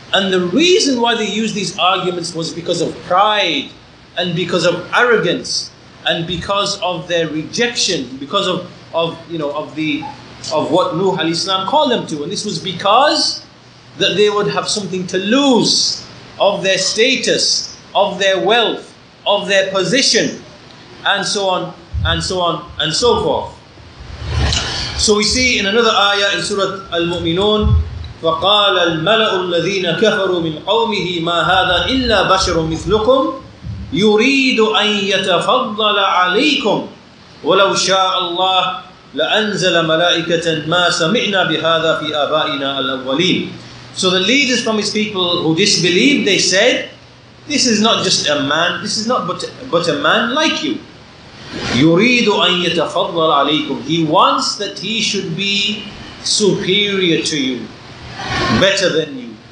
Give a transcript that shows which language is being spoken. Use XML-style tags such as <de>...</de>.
<en>And the reason why they used these arguments was because of pride and because of arrogance and because of their rejection, because of what Nuh alayhi salam called them to. And this was because that they would have something to lose of their status, of their wealth, of their position, and so on, and so on, and so forth. So we see in another ayah in Surah Al-Mu'minun,</en> <ar>فَقَالَ الْمَلَأُ الَّذِينَ كَفَرُوا مِنْ قَوْمِهِ مَا هَذَا إِلَّا بَشَرٌ مِثْلُكُمْ يُرِيدُ أَنْ يَتَفَضَّلَ عَلَيْكُمْ وَلَوْ شَاءَ اللَّهُ لَأَنْزَلَ مَلَائِكَةً مَا سَمِعْنَا بِهَذَا فِي آبَائِنَا الْأَوَّلِينَ.</ar> <en>So the leaders from his people who disbelieved, they said, this is not just a man, this is not but a man like you.</en> <ar>يُرِيدُ أَنْ يَتَفَضَّلَ عَلَيْكُمْ.</ar> <en>He wants that he should be superior to you, better than you.</en>